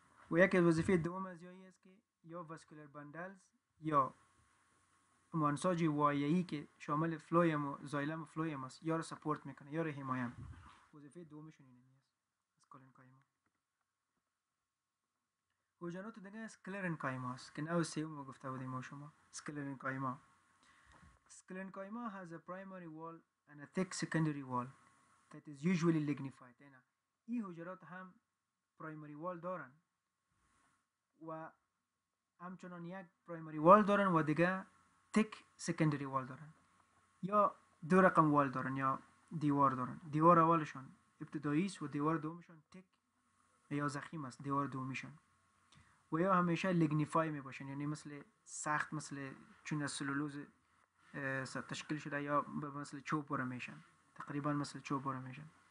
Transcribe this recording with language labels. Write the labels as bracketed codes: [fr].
[fa] و یک از وظیفه دوم از یایی است که یا واسکولر بندلز یا منساج وایهی که شامل فلویم و زایلم و فلویم است یا رو سپورت میکنه یا رو حمایم. وظیفه دومشون اینه است از کولنکایما. حجرات دیگه سکلرنکایما است که نو سیوم رو گفته بودیم و شما سکلرنکایما. [en] Sclerenchyma has a primary wall and a thick secondary wall that is usually lignified. [fa] این حجرات هم primary wall دارن و همچنان یک primary wall دارن و دیگه thick secondary wall دارن یا دو رقم wall دارن یا دیوار دارن. دیوار اولشان ابتدایی است و دیوار دومشان thick یا زخیم است دیوار دومیشان و یا همیشه lignify می باشن یعنی مثل سخت مثل چون از سلولوز تشکیل شده یا مثل چوب بره میشن تقریبا مثل چوب بره میشن